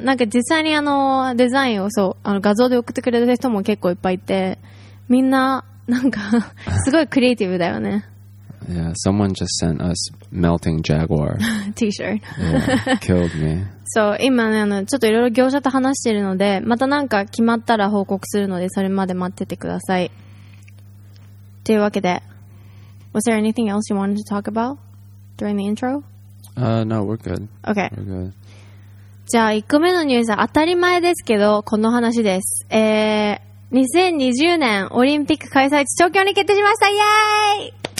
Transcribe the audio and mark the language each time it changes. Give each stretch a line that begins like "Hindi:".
Japanese: なんか実際にあのデザインをそう、あの画像で送ってくれる人も結構いっぱいいて、みんななんかすごいクリエイティブだよね。
English: Yeah, someone just sent us melting jaguar T-shirt. Yeah, killed me.
Japanese: So, 今ね、あのちょっといろいろ業者と話しているので、またなんか決まったら報告するので、それまで待っててください。というわけで、
English: was there anything else you wanted to talk about during the intro? No, we're good. Okay. We're good.
Japanese: じゃあ1個目のニュースは当たり前ですけど、この話です。 2020年オリンピック開催地東京に決定しました。イエーイ！